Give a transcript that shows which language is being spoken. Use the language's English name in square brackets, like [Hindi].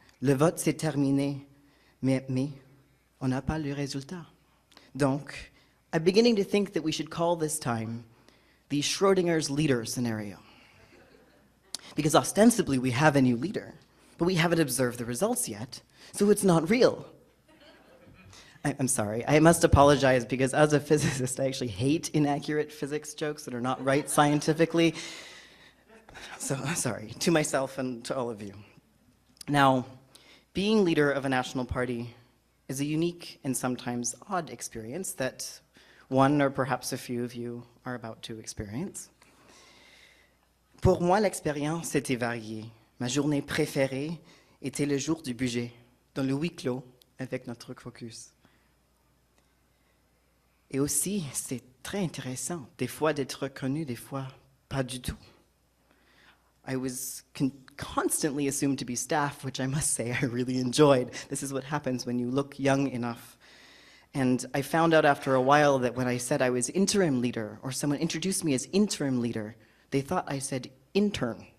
[French] Le vote s'est terminé, mais on n'a pas le résultat. [English] Donc, I'm beginning to think that we should call this time the Schrodinger's leader scenario. Because ostensibly we have a new leader, but we haven't observed the results yet, so it's not real. I'm sorry, I must apologize because as a physicist, I actually hate inaccurate physics jokes that are not right scientifically. So, sorry, to myself and to all of you. Now, being leader of a national party is a unique and sometimes odd experience that one or perhaps a few of you are about to experience. [French] Pour moi, l'expérience était variée. Ma journée préférée était le jour du budget, dans le huis clos avec notre caucus. Et aussi, c'est très intéressant, des fois d'être reconnu, des fois pas du tout. [English] I was constantly assumed to be staff, which I must say I really enjoyed. This is what happens when you look young enough. And I found out after a while that when I said I was interim leader, or someone introduced me as interim leader, they thought I said intern.